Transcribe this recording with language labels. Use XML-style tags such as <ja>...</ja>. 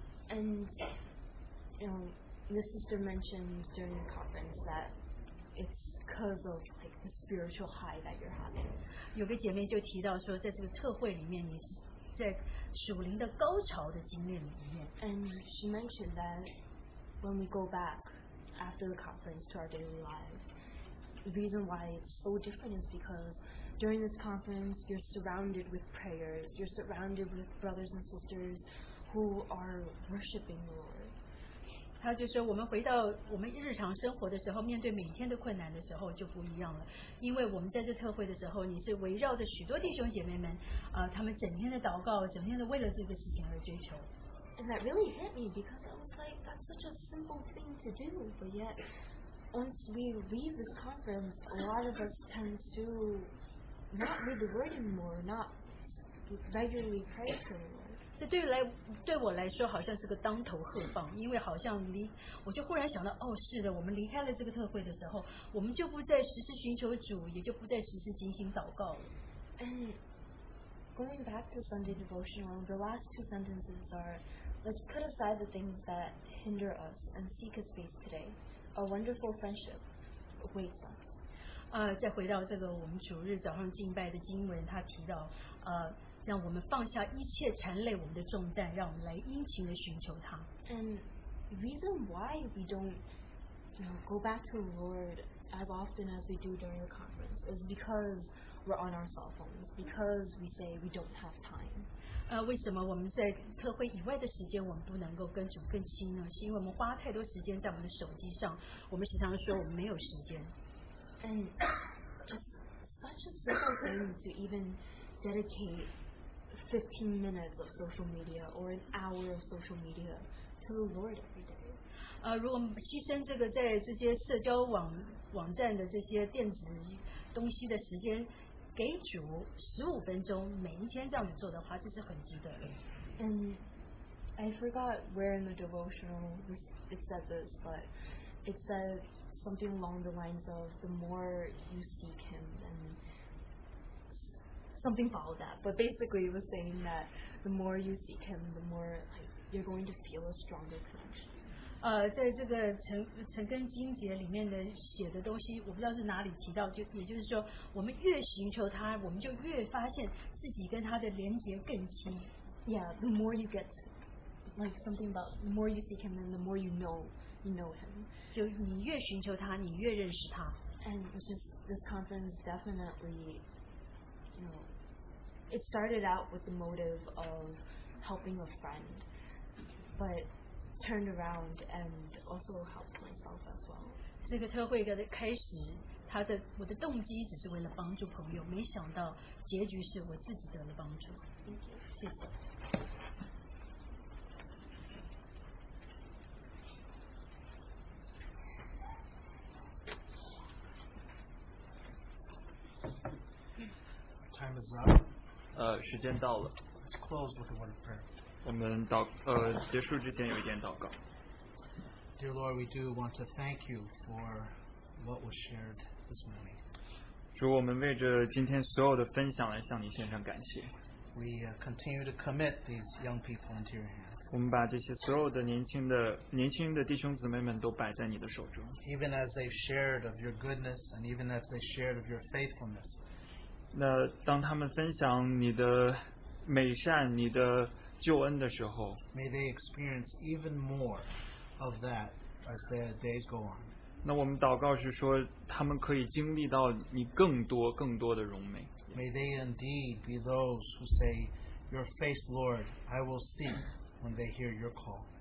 <en>And you know, the sister mentioned during the conference that it's because of like the spiritual high that you're having.</en> <zh>有个姐妹就提到说，在这个特会里面，你是在属灵的高潮的经历里面。</zh> <en>And she mentioned that when we go back after the conference to our daily lives, the reason why it's so different is because during this conference, you're surrounded with prayers, you're surrounded with brothers and sisters who are worshiping the Lord.</en> <zh>他就说，我们回到我们日常生活的时候，面对每天的困难的时候就不一样了。因为我们在这特会的时候，你是围绕着许多弟兄姐妹们，他们整天的祷告，整天的为了这个事情而追求。</zh> <en>And that really hit me because I was like, that's such a simple thing to do, but yet, once we leave this conference, a lot of us tend to not read the word anymore, not regularly pray to the Lord.</en> <zh>这对我来说好像是个当头喝棒，因为好像我就忽然想到，哦，是的，我们离开了这个特会的时候，我们就不再时时寻求主，也就不再时时警醒祷告了。</zh> <en>And going back to Sunday devotional, the last two sentences are, let's put aside the things that hinder us and seek His face today. A wonderful friendship awaits us.</en> <zh>再回到这个我们主日早上敬拜的经文，他提到，让我们放下一切缠累我们的重担，让我们来殷勤地寻求他。</zh> <en>And the reason why we don't, you know, go back to the Lord as often as we do during the conference is because we're on our cell phones, because we say we don't have time.</en> <zh>为什么我们在特会以外的时间我们不能够跟主更亲呢？是因为我们花太多时间在我们的手机上，我们时常说我们没有时间。</zh> <en>And it's such a simple thing to even dedicate 15 minutes of social media or an hour of social media to the Lord every day.</en> <zh>如果牺牲这个在这些社交网站的这些电子东西的时间给主15分钟每一天这样子做的话，这是很值得的。</zh> <en>And I forgot where in the devotional it said this, but it said something along the lines of the more you seek him, and something followed that, but basically it was saying that the more you seek him, the more like you're going to feel a stronger connection.</en> <zh>在这个陈根经节里面的写的东西我不知道是哪里提到 也就是说, 我们越寻求他, 我们就越发现自己跟他的连结更亲。</zh> <en>Yeah, the more you get to, like something about the more you seek him and the more you know him.</en> <zh>就你越寻求他, 你越认识他。</zh> <en>And it's just, this conference definitely, you know, it started out with the motive of helping a friend, but turned around and also helped myself as well.</en> <zh>这个特会的开始, 他的, 我的动机只是为了帮助朋友, 没想到结局是我自己得了帮助。</zh> <en>Thank you.</en> <zh>谢谢。</zh> <en>Time is up.</en> <zh>时间到了。</zh> <en>Let's close with a word of prayer.</en> <zh>我们结束之前有一点祷告。</zh> <en>Dear Lord, we do want to thank you for what was shared this morning.</en> <zh>主，我们为着今天所有的分享来向你献上感谢。</zh> <en>We continue to commit these young people into your hands.</en> <zh>我们把这些所有的年轻的弟兄姊妹们都摆在你的手中。</zh> <en>Even as they've shared of your goodness, and even as they've shared of your faithfulness.</en> <zh>那当他们分享你的美善，你的救恩的时候，</zh> <en>May they experience even more of that as their days go on.</en> <zh>那我们祷告是说，他们可以经历到你更多更多的荣美。</zh> <en>May they indeed be those who say, Your face, Lord, I will see when they hear your call.</en>